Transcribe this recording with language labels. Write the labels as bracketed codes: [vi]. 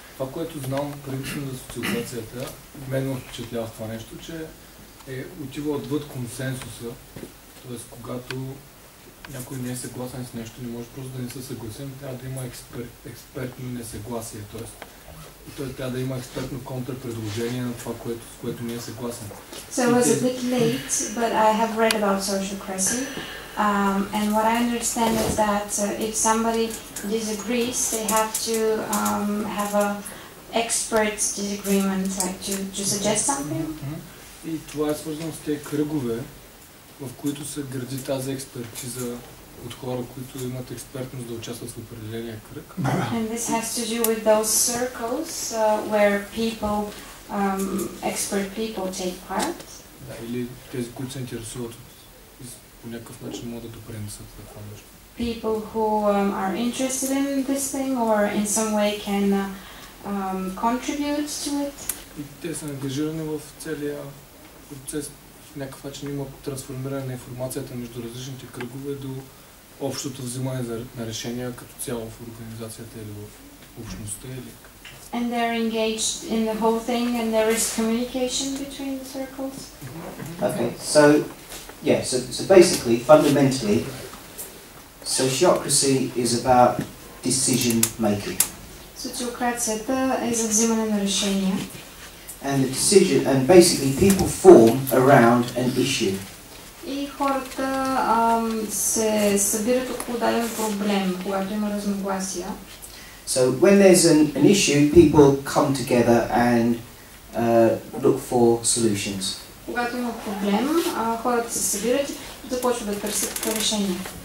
[bg] Това, което знам предишно за социокрацията, мен ме впечатлява това нещо, че е отива отвъд консенсуса, т.е. когато някой не е съгласен с нещо, не може просто да не се съгласим, трябва да има експертно несъгласие. Тоест, трябва да има експертно контрпредложение на това, с което не е съгласен. [en] So I was a bit late, but I have read about sociocracy. And what I understand is that if somebody disagrees, they have to have a expert disagreement, like to suggest something. [bg] И това е свързано с тези кръгове, в които се гради тази експертиза от хора, които имат експертност да участват в определения кръг. [en] And this has to do with those circles where people, expert people take part. [bg] Да, или тези, които се интересуват по някакъв начин могат да допринесат за това нещо. [en] People who are interested in this thing or in some way can contribute to it. [bg] И те са ангажирани в целия процес. В някакъв начин има трансформиране на информацията между различните кръгове до общото взимане на решения като цяло в организацията или в общността или. [en] And they're engaged in the whole thing and there is communication between the circles. Okay. So yeah, so basically, fundamentally, sociocracy is about decision making. [bg] Социокрацията е за взимане на решения. [en] And the decision, and basically people form around an issue. [bg] И хората се събират около даден проблем, когато има разногласия. [en] So when there's an issue, people come together and look for solutions. [bg] Когато има проблем, хората се събират и започват да търсят решения.